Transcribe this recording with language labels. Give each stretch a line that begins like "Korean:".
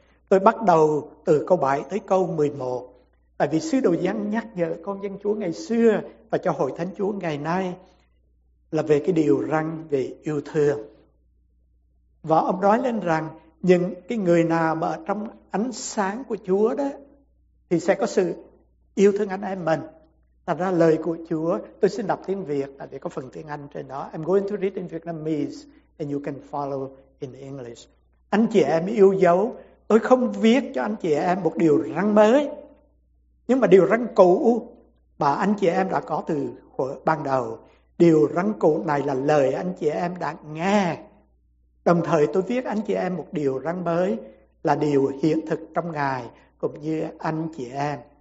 Vietnamese: Tôi bắt đầu từ câu 7 tới câu 11. Tại vì sứ đồ Giăng nhắc nhở con dân Chúa ngày xưa và cho hội thánh Chúa ngày nay là về cái điều răn về yêu thương. Và ông nói lên rằng những cái người nào mà ở trong ánh sáng của Chúa đó thì sẽ có sự yêu thương anh em mình. Thật ra lời của Chúa, tôi xin đọc tiếng Việt tại vì có phần tiếng Anh trên đó.
English: I'm going to read in Vietnamese and you can follow in English.
Vietnamese: Anh chị em yêu dấu, tôi không viết cho anh chị em một điều răn mới, nhưng mà điều răn cũ mà anh chị em đã có từ ban đầu. Điều răn cũ này là lời anh chị em đã nghe. Đồng thời tôi viết anh chị em một điều răn mới là điều hiện thực trong Ngài cũng như anh chị em.